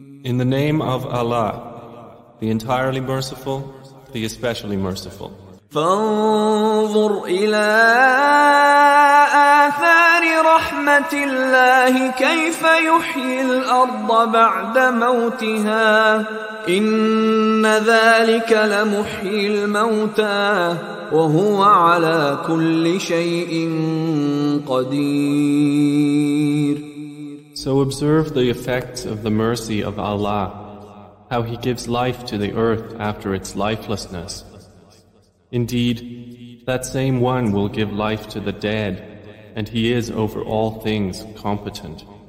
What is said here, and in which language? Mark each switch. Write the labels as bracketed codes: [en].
[en] In the name of Allah, the entirely merciful, the especially merciful. [ar] فانظر الى آثار رحمة اللہ کیف یحیی الارض بعد موتها ان ذلك لمحیی الموتى وهو على كل شيء قدیر. [en] So observe the effects of the mercy of Allah, how he gives life to the earth after its lifelessness. Indeed, that same one will give life to the dead, and he is over all things competent.